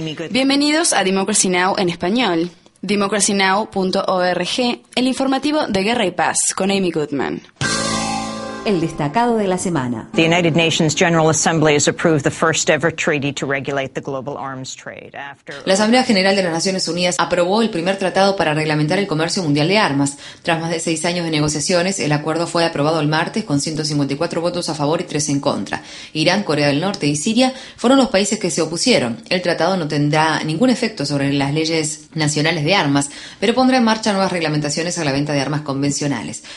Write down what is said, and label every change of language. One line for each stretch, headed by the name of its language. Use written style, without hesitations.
Spanish: Bienvenidos a Democracy Now! En español, democracynow.org, el informativo de Guerra y Paz con Amy Goodman. El destacado de la semana.
English: The United Nations General Assembly has approved the first ever treaty to regulate the global arms trade.
Spanish: La Asamblea General de las Naciones Unidas aprobó el primer tratado para reglamentar el comercio mundial de armas. Tras más de 6 años de negociaciones, el acuerdo fue aprobado el martes con 154 votos a favor y 3 en contra. Irán, Corea del Norte y Siria fueron los países que se opusieron. El tratado no tendrá ningún efecto sobre las leyes nacionales de armas, pero pondrá en marcha nuevas reglamentaciones a la venta de armas convencionales.